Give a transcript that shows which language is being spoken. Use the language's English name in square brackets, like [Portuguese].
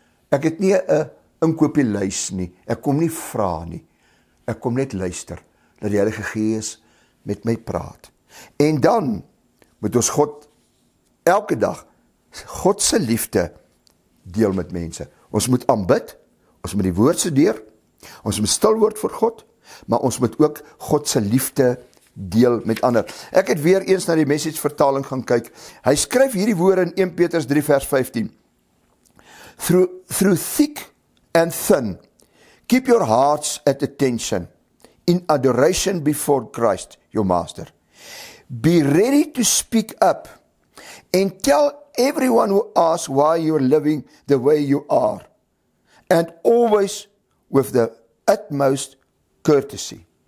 [Afrikaans] Ek het nie 'n inkopieslys nie, ek kom nie vra nie. Ek kom net luister, dat die Heilige Gees met my praat. En dan moet ons God elke dag God se liefde deel met mense. Ons moet aanbid, ons moet die woord studeer, ons moet stil word voor God, maar ons moet ook God se liefde deel met ander. Ek het weer eens na die Message vertaling gaan kyk. Hy skryf hierdie woorde in 1 Petrus 3 vers 15. [English] Through thick and thin, keep your hearts at attention in adoration before Christ, your master. Be ready to speak up and tell everyone who asks why you're living the way you are, and always with the utmost courtesy.